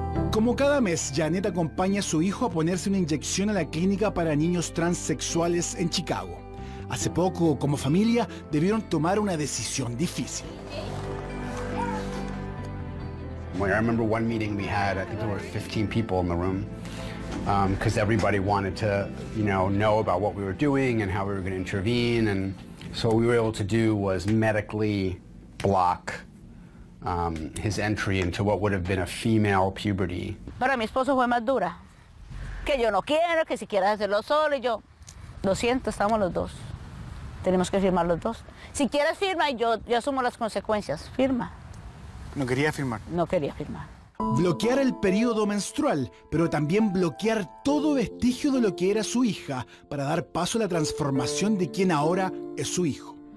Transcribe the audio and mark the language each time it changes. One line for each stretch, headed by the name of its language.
Spanish: Como cada mes, Janet acompaña a su hijo a ponerse una inyección a la clínica para niños transexuales en Chicago. Hace poco, como familia, debieron tomar una decisión difícil.
English: Bueno, I remember one meeting we had, I think there were 15 people in the room, because everybody wanted to, you know about what we were doing and how we were going to intervene. And so what we were able to do was medically block his entry into what would have been a female puberty.
Spanish: Para mi esposo fue más dura, que yo no quiero, que si quieres hacerlo solo, y yo, lo siento, estamos los dos. Tenemos que firmar los dos. Si quieres, firma y yo asumo las consecuencias. Firma. No quería firmar. No quería firmar. Bloquear el periodo menstrual, pero también bloquear todo vestigio de lo que era su hija para dar paso a la transformación de quien ahora es su hijo.